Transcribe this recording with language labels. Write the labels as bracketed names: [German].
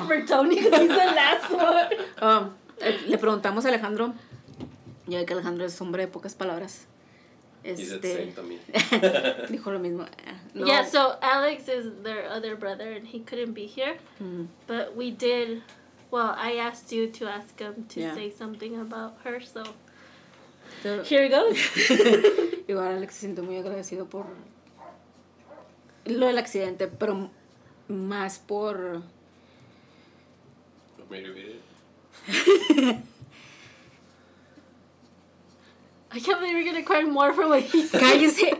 [English] Bad for Tony because he's the last one. [Spanish] Le preguntamos a Alejandro, ya que Alejandro es hombre de pocas palabras. Este, dijo lo mismo. No. [English] Yeah, so Alex is their other brother and he couldn't be here. Mm-hmm. But we did, well, I asked you to ask him to say something about her, so, so here it goes. [Spanish] Igual Alex se siente muy agradecido por lo del accidente, pero más por... [English] I can't believe you're gonna cry more for what he said. Can you say it?